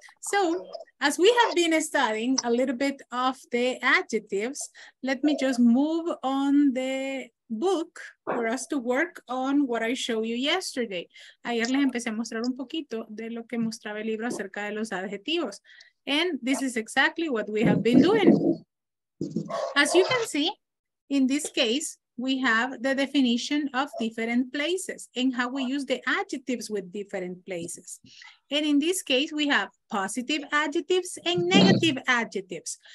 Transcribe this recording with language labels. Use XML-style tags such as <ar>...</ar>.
<en>So, as we have been studying a little bit of the adjectives, let me just move on the book for us to work on what I showed you yesterday.</en> <es>Ayer les empecé a mostrar un poquito de lo que mostraba el libro acerca de los adjetivos.</es> <en>And this is exactly what we have been doing. As you can see, in this case, we have the definition of different places and how we use the adjectives with different places. And in this case, we have positive adjectives and negative adjectives.</en>